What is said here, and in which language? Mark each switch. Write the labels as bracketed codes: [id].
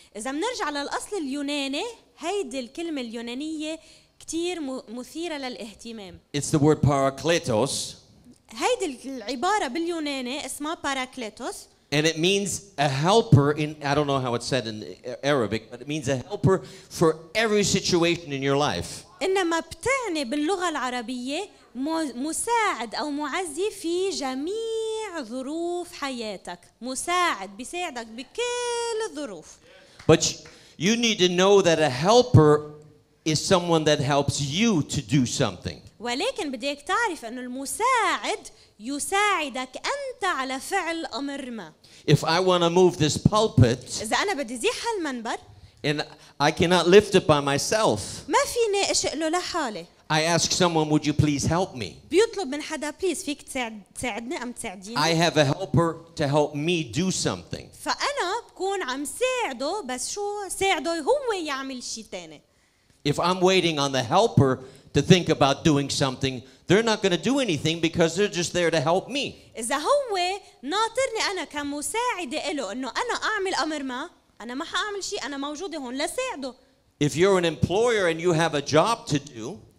[ar] إذا منرجع للأصل اليوناني هيدي الكلمة اليونانية كتير مثيرة للاهتمام. [en] It's the word parakletos. [ar] هيدي العبارة باليوناني اسمها parakletos. [en] And it means a helper in, I don't know how it's said in Arabic, but it means a helper for every situation in your life. [ar] إنما بتعني باللغة العربية مساعد أو معزي في جميع ظروف حياتك. مساعد بيساعدك بكل الظروف. [en] But you need to know that a helper is someone that helps you to do something. [ar] ولكن بدك تعرف أن المساعد يساعدك أنت على فعل أمر ما. [en] If I want to move this pulpit, [ar] إذا أنا بدي زيح هالمنبر, [en] and I cannot lift it by myself, [ar] ما فيني أشيله لحالي. [en] I ask someone, would you please help me? [ar] بيطلب من حدا, please, فيك تساعدني أم تساعديني. [en] I have a helper to help me do something. [ar] فأنا بكون عم ساعده, بس شو ساعده هو يعمل شي تاني. [en] If I'm waiting on the helper to think about doing something, they're not going to do anything because they're just there to help me. [ar] إذا هو ناطرني أنا كمساعدة إله إنه أنا أعمل أمر ما, أنا ما حأعمل شي, أنا موجودة هون لساعده. [en] If you're an employer and you have a job to do,